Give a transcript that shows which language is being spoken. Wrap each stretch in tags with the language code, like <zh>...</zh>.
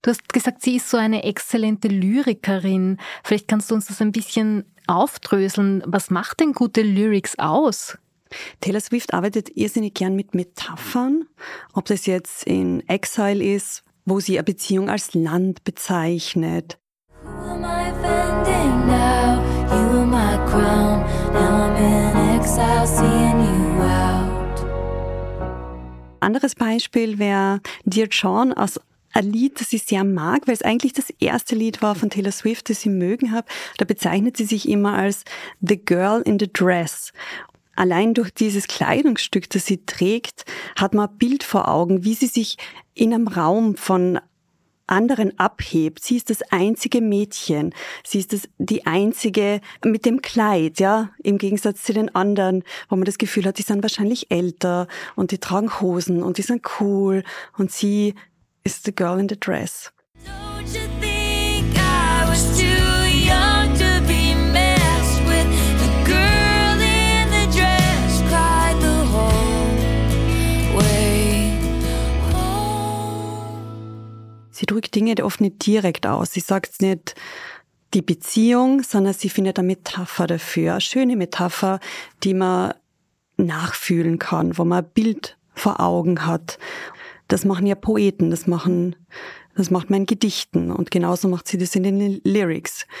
<de>Du hast gesagt, sie ist so eine exzellente Lyrikerin. Vielleicht kannst du uns das ein bisschen aufdröseln. Was macht denn gute Lyrics aus? Taylor Swift arbeitet irrsinnig gern mit Metaphern. Ob das jetzt in Exile ist, wo sie eine Beziehung als Land bezeichnet.</de> <en>Who am I bending now? You are my crown. Now I'm in exile, seeing you out.</en> <de>Anderes Beispiel wäre Dear John, aus ein Lied, das ich sehr mag, weil es eigentlich das erste Lied war von Taylor Swift, das ich mögen habe. Da bezeichnet sie sich immer als The Girl in the Dress. Allein durch dieses Kleidungsstück, das sie trägt, hat man ein Bild vor Augen, wie sie sich in einem Raum von anderen abhebt. Sie ist das einzige Mädchen. Sie ist die einzige mit dem Kleid, ja, im Gegensatz zu den anderen, wo man das Gefühl hat, die sind wahrscheinlich älter und die tragen Hosen und die sind cool und sie ist the girl in the dress.</de> <en>Don't you think I was too young to be messed with? The girl in the dress cried the whole way home.</en> <de>Sie drückt Dinge oft nicht direkt aus. Sie sagt es nicht die Beziehung, sondern sie findet eine Metapher dafür. Eine schöne Metapher, die man nachfühlen kann, wo man ein Bild vor Augen hat. Das machen ja Poeten, das macht man in Gedichten und genauso macht sie das in den Lyrics.</de>